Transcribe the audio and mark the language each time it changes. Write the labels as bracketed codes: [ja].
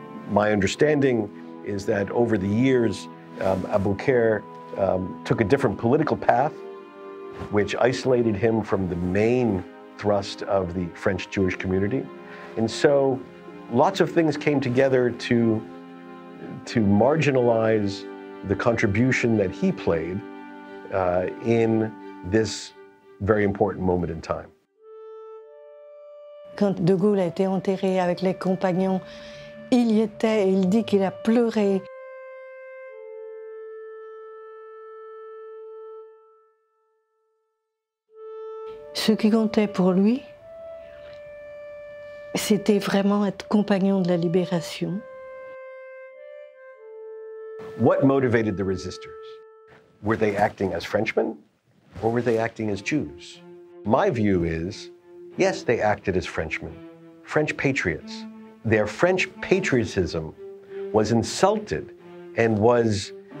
[en] My understanding is that over the years, Aboukir took a different political path, which isolated him from the main thrust of the French Jewish community. And so lots of things came together to marginalize the contribution that he played in this very important moment in time. [fr] Quand de Gaulle a été enterré avec les compagnons, il y était et il dit qu'il a pleuré. Ce qui comptait pour lui, c'était vraiment être compagnon de la libération. [en] What motivated the resistors? Were they acting as Frenchmen or were they acting as Jews? My view is, yes, they acted as Frenchmen, French patriots. Their French patriotism was insulted and was